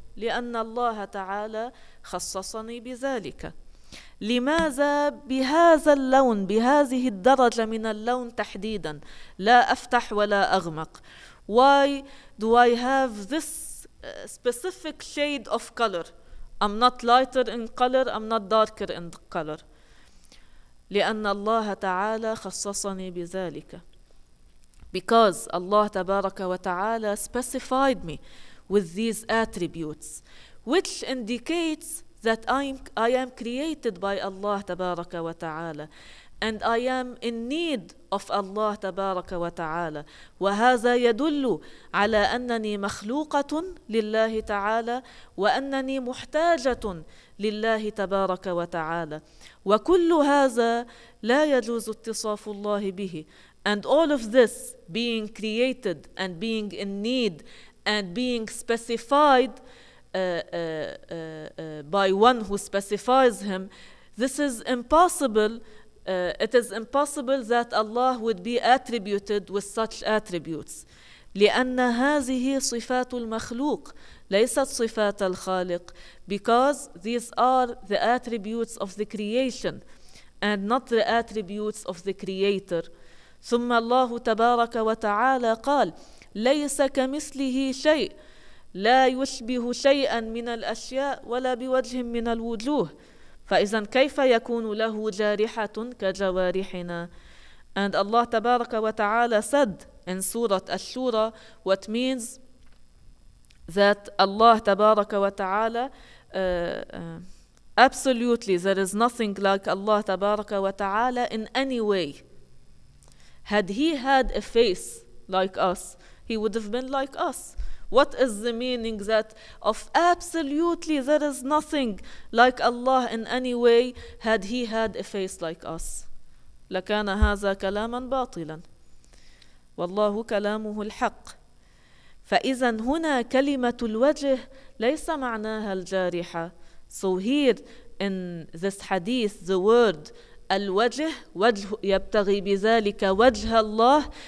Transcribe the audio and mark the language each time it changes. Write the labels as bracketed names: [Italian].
[Arabic] لأن الله تعالى خصصني بذلك. لماذا بهذا اللون, بهذه الدرجة من اللون تحديدا, لا أفتح ولا أغمق؟ [English] Why do I have this specific shade of color? I'm not lighter in color, I'm not darker in color. [Arabic] لأن الله تعالى خصصني بذلك. [English] Because Allah تبارك وتعالى specified me with these attributes, which indicates that I am created by Allah تبارك وتعالى, and I am in need of Allah تبارك وتعالى. [Arabic] وهذا يدل على أنني مخلوقة لله تعالى وأنني محتاجة لله تبارك وتعالى. وكل هذا لا يجوز اتصاف الله به. [English] And all of this, being created and being in need and being specified by one who specifies him, this is impossible. It is impossible that Allah would be attributed with such attributes. [Arabic] لأن هذه صفات المخلوق ليست صفات الخالق. [English] Because these are the attributes of the creation and not the attributes of the creator. [Arabic] ثم الله تبارك وتعالى قال ليس كمثله شيء, لا يشبه شيئا من الأشياء ولا بوجه من الوجوه. فإذا كيف يكون له جارحة كجوارحنا؟ [English] And Allah تبارك وتعالى said in Surah Al-Shura what means that Allah تبارك وتعالى absolutely there is nothing like Allah تبارك وتعالى in any way. Had he had a face like us, he would have been like us. What is the meaning that of absolutely there is nothing like Allah in any way had he had a face like us? [Arabic] لكان هذا كلاما باطلا والله كلامه الحق. فإذا هنا كلمة الوجه ليس معناها الجارحة. [English] So here in this hadith the word [Arabic] الوجه وجه يبتغي بذلك وجه الله.